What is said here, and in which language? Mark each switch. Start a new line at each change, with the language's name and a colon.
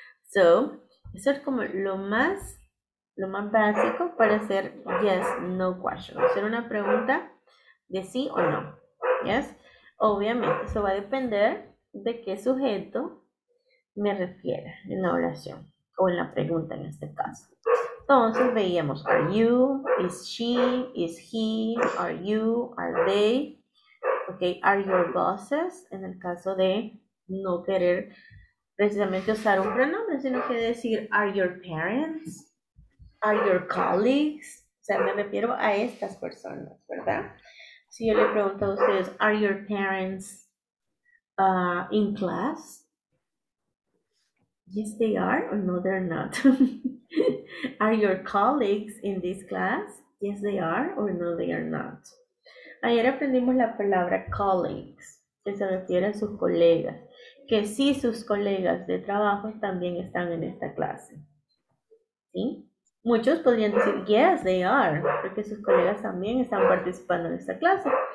Spanish: So, eso es como lo más básico para hacer
English: yes, no question.
Spanish: Hacer una pregunta de sí o no. Yes. Obviamente, eso va a depender de qué sujeto me refiera en la oración o en la pregunta en este caso. Entonces, veíamos,
English: are you, is she, is he, are you, are they.
Spanish: Okay,
English: are your bosses,
Spanish: en el caso de no querer precisamente usar un pronombre, sino que decir,
English: are your parents, are your colleagues,
Spanish: o sea, me refiero a estas personas, ¿verdad? Si yo le pregunto a ustedes,
English: are your parents in class? Yes, they are, or no, they're not. Are your colleagues in this class? Yes, they are, or no, they are not.
Spanish: Ayer aprendimos la palabra colleagues, que se refiere a sus colegas, que sí, sus colegas de trabajo también están en esta clase. ¿Sí? Muchos podrían decir,
English: yes, they are,
Spanish: porque sus colegas también están participando en esta clase.